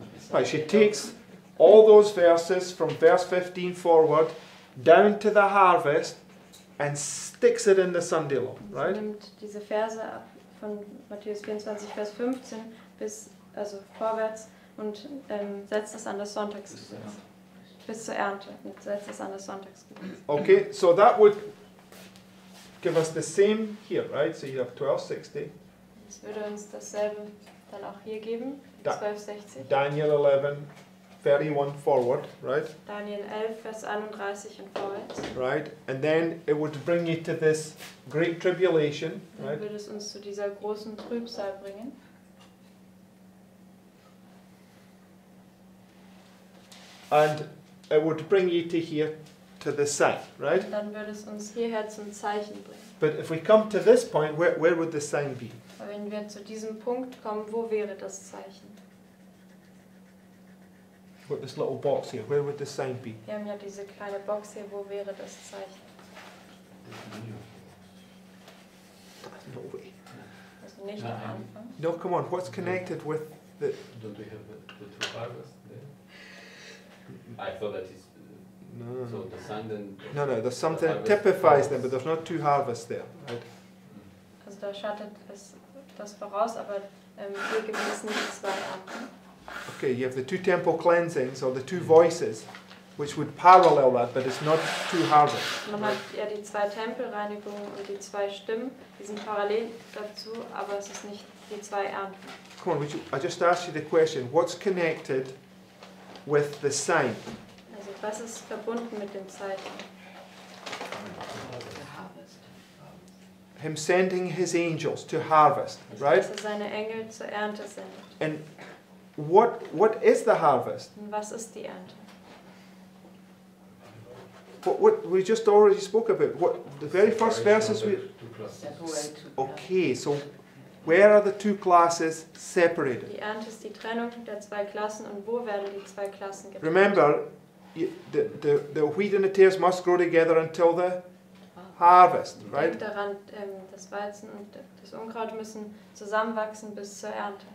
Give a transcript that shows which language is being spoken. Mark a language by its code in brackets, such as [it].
[en] Right, she takes all those verses from verse 15 forward down to the harvest and sticks it in the Sunday law, right? [de] Sie nimmt diese Verse ab von Matthäus 24, Vers 15 bis, also vorwärts, und setzt es an das Sonntagsgebet. Bis zur Ernte. Und setzt es an das Sonntagsgebet. [en] Okay, so that would give us the same here, right? So you have 12:60. [de] Das würde uns dasselbe dann auch hier geben. 12:60. [en] Daniel 11, 31 forward, right? [de] Daniel 11, Vers 31 und vorwärts. [en] Right, and then it would bring you to this great tribulation. [de] Dann [en] right? [de] Würde es uns zu dieser großen Trübsal bringen. [en] And it would bring you to here, to the sign, right? [de] Dann würde es uns hierher zum Zeichen bringen. [en] But if we come to this point, where would the sign be? [de] Wenn wir zu diesem Punkt kommen, wo wäre das Zeichen? [en] With this little box here, where would the sign be? [de] Wir haben ja diese kleine Box hier, wo wäre das Zeichen? [en] No way. [de] Also nicht am Anfang. [en] No, come on, what's connected with the... Don't we have the two harvests there? I thought that is no. So the sign then. No, there's something that typifies them, but there's not two harvests there, right? [de] Also da schattet es das voraus, aber hier gibt es nicht zwei Arten. [en] Okay, you have the two temple cleansings or the two voices, which would parallel that, but it's not two harvests. [de] Man hat ja die zwei Tempelreinigungen und die zwei Stimmen, die sind parallel dazu, aber es ist nicht die zwei Arten. [en] Come on, I just asked you the question. What's connected with the sign? [de] Also, was ist verbunden mit dem Zeichen? [en] The harvest. Him sending his angels to harvest, also, right? [de] Dass er seine Engel zur Ernte sendet. [en] And what is the harvest? [de] Und was ist die Ernte? [en] What we just already spoke about. What the very first verses we. Okay, so. Where are the two classes separated? [de] Die Ernte ist die Trennung der zwei Klassen, und wo werden die zwei Klassen getrennt? [en] Remember, the wheat and the tares must grow together until the harvest, right? [de] Denk daran, das Weizen und das Unkraut müssen zusammenwachsen bis zur Ernte.